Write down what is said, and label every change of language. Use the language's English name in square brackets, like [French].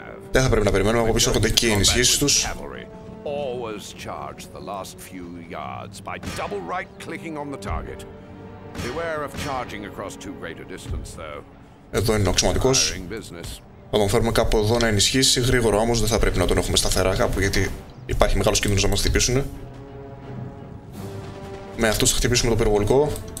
[Greek] Δεν θα πρέπει να περιμένουμε, από πίσω έρχονται και οι ενισχύσεις τους. [English] Always charge the last few yards by double right clicking on the target. Beware of charging across too great a distance though. [Greek] Εδώ είναι ο αξιωματικός. Θα τον φέρουμε κάπου εδώ να ενισχύσει γρήγορα, όμως δεν θα πρέπει να τον έχουμε σταθερά κάπου, γιατί υπάρχει μεγάλος κίνδυνος να μας χτυπήσουν. Με αυτούς θα χτυπήσουμε το πυροβολικό.